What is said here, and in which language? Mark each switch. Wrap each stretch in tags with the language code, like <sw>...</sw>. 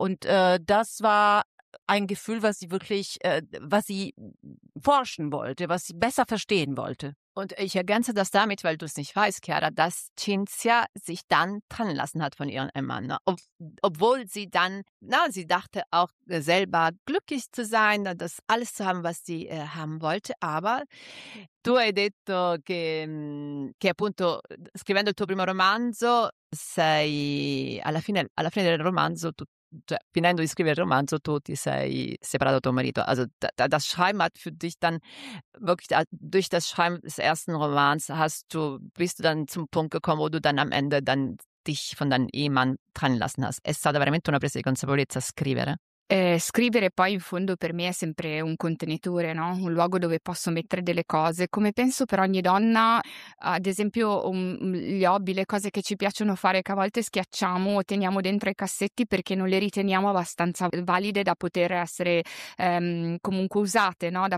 <de>Und das war ein Gefühl, was sie wirklich, was sie forschen wollte, was sie besser verstehen wollte. Und ich ergänze das damit, weil du es nicht weißt, Chiara, dass Cinzia sich dann trennen lassen hat von ihrem Mann. Ne? Obwohl sie dann, na, sie dachte auch selber glücklich zu sein, das alles zu haben, was sie haben wollte. Aber</de> <it>du hai detto che appunto, scrivendo il tuo primo romanzo, sei alla fine del romanzo, cioè, finendo di scrivere il romanzo, tu ti sei separato da tuo marito.</it> <de>Also, das Schreiben hat für dich dann wirklich, durch das Schreiben des ersten Romans bist du dann zum Punkt gekommen, wo du dann am Ende dann dich von deinem Ehemann trennen lassen hast.</de> <it>È stata veramente una presa di consapevolezza scrivere? Scrivere poi in fondo per me è sempre un contenitore, no? Un luogo dove posso mettere delle cose, come penso per ogni donna, ad esempio gli hobby, le cose che ci piacciono fare che a volte schiacciamo o teniamo dentro i cassetti perché non le riteniamo abbastanza valide da poter essere comunque usate, no?</it>